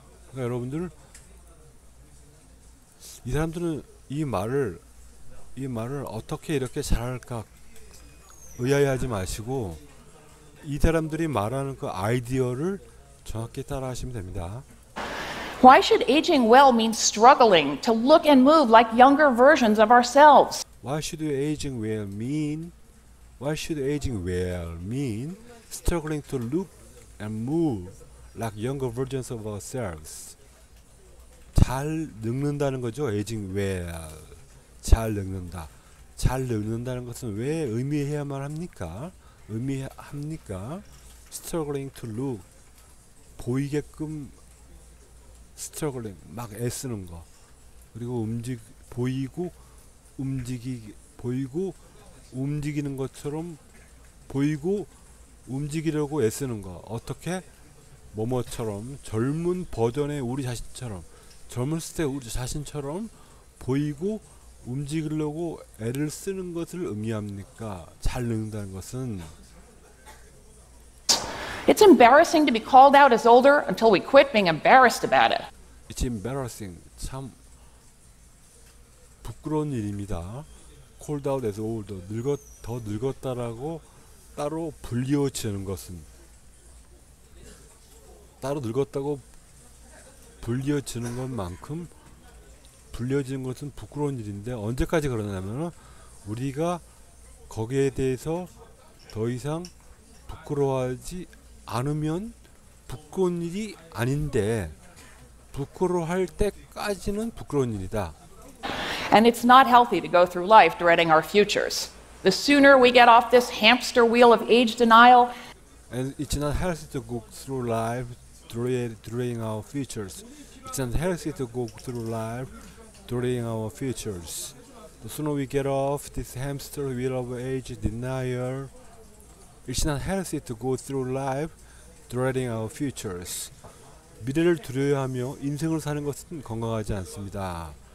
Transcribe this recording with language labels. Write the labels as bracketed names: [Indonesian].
[Korean] 그러니까 여러분들 이 사람들은 이 말을 어떻게 이렇게 잘할까 의아해하지 마시고 이 사람들이 말하는 그 아이디어를 정확히 따라하시면 됩니다. [English] Why should aging well mean struggling to look and move like younger versions of ourselves? Why should aging well mean struggling to look and move like younger versions of ourselves? [Korean] 잘 늙는다는 거죠. [English] Aging well. [Korean] 잘 늙는다. 잘 늙는다는 것은 왜 의미해야만 합니까? 의미합니까? [English] Struggling to look. [Korean] 보이게끔 [English] struggling. [Korean] 막 애쓰는 거. 그리고 움직이는 것처럼 보이고 움직이려고 애쓰는 거. 어떻게? 뭐뭐처럼 젊은 버전의 우리 자신처럼 젊었을 때 우리 자신처럼 보이고 움직이려고 애를 쓰는 것을 의미합니까? 잘 늙는다는 것은 [English] It's embarrassing to be called out as older until we quit being embarrassed about it. It's embarrassing. [Korean] 참 부끄러운 일입니다. [English] Called out as older. [Korean] 더 늙었다라고 따로 불리워지는 것은 따로 늙었다고 불리워지는 것만큼 불리워지는 것은 부끄러운 일인데 언제까지 그러냐면 우리가 거기에 대해서 더 이상 부끄러워하지 않으면 부끄러운 일이 아닌데 부끄러워할 때까지는 부끄러운 일이다. [English] And it's not healthy to go through life dreading our futures. The sooner we get off this hamster wheel of age denial, and it's not healthy to go through life dreading our futures. It's not healthy to go through life dreading our futures. The sooner we get off this hamster wheel of age denial, it's not healthy to go through life dreading our futures. [Korean] 미래를 두려워하며 인생을 사는 것은 건강하지 않습니다.